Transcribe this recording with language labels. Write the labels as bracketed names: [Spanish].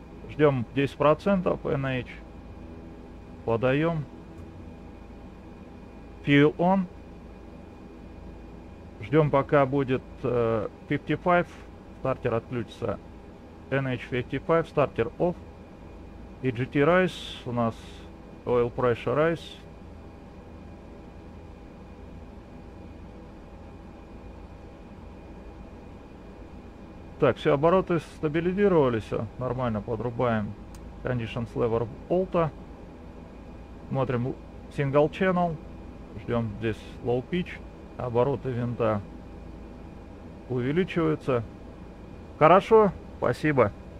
[Russian] Ждем 10% NH. Подаем. [English] Fuel on. [Russian] Ждем, пока будет 55. Стартер отключится. NH 55. Стартер off. [English] EGT rise. [Russian] У нас [English] oil pressure rise. [Russian] Так, все, обороты стабилизировались. Нормально, подрубаем Conditions Lever Alta. Смотрим Single Channel. Ждем здесь Low Pitch. Обороты винта увеличиваются. Хорошо, спасибо.